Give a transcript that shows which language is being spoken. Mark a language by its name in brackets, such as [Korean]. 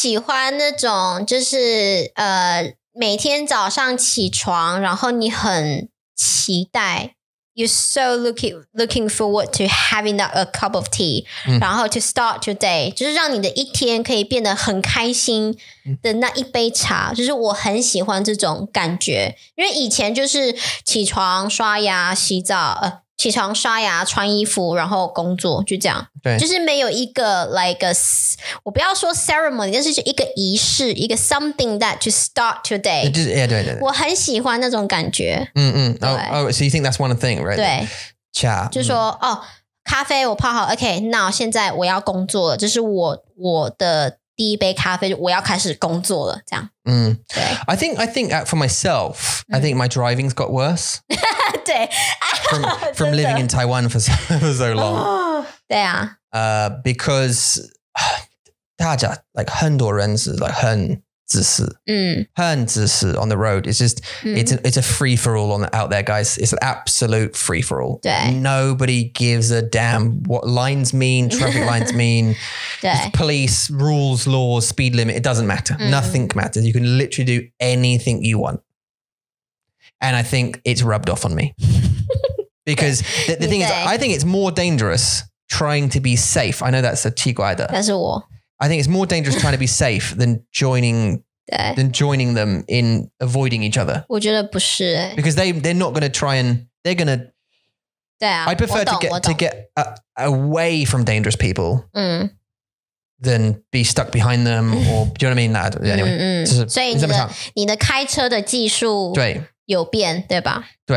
[Chinese] 我就是喜欢那种,就是, 每天早上起床, 然后你很期待, [English] you're so looking forward to having that a cup of tea, [Chinese] 然后 [English] to start your day, [Chinese] 就是让你的一天可以变得很开心的那一杯茶, 就是我很喜欢这种感觉, 因为以前就是起床刷牙洗澡, 起床刷牙穿衣服, 然后工作, 就这样, 对, 就是没有一个, [English] like a, [Chinese] 我不要说 ceremony, 但是就一个仪式, 一个 [English] something that to start your day. [Chinese] 对对对。我很喜欢那种感觉。嗯嗯。 [English] Oh, so you think that's one thing, right? [Chinese] 对。茶。就说, 哦, 咖啡我泡好, [English] okay, now [Chinese] 现在我要工作了, 这是我的第一杯咖啡, 我要开始工作了, 这样。嗯。对。 [English] I think for myself, I think my driving's got worse. [Chinese] 对。 [English] from living in Taiwan for so long. [Chinese] 对啊。 [English] Because [Chinese] 大家 like 很多人是 like 很自私, mm. 很自私 [English] on the road. It's just, mm. it's a free for all on the, out there, guys. It's an absolute free for all. Nobody gives a damn what lines mean, traffic lines mean, police, rules, laws, speed limit. It doesn't matter. Mm. Nothing matters. You can literally do anything you want. And I think it's rubbed off on me. Because the thing is, I think it's more dangerous trying to be safe. I know that's a [Chinese] 奇怪的. [English] That's a war. I think it's more dangerous trying to be safe than joining them in avoiding each other. [Chinese] 我觉得不是。 [English] Because they're not going to try and, they're going to, [Chinese] 对啊, [English] I prefer [Chinese] 我懂, [English] to get, to get away from dangerous people than be stuck behind them or, do you know what I mean? Nah, anyway. [Chinese] 所以你的开车的技术有变,对吧?